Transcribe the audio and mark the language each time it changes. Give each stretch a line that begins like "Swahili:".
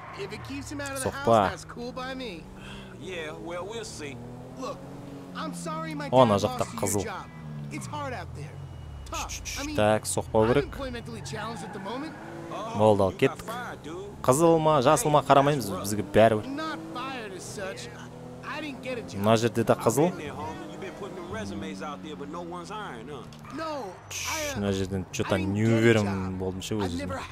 English: If it keeps him out of the house, that's cool by me. Yeah, well, we'll see. Look, I'm sorry my dad lost his job. It's hard out there. Tough. I mean, I'm employmentally challenged at the moment.
Kazakh: Болды ал, кеттік. Қызыл ма, жасыл ма, қарамаймыз, бізге бәрі бір.
English: Not fired as such.
Kazakh: Мына жерде де қызыл. Мына жерден
Russian: что-то не уверен
Kazakh: болдым ше өзім.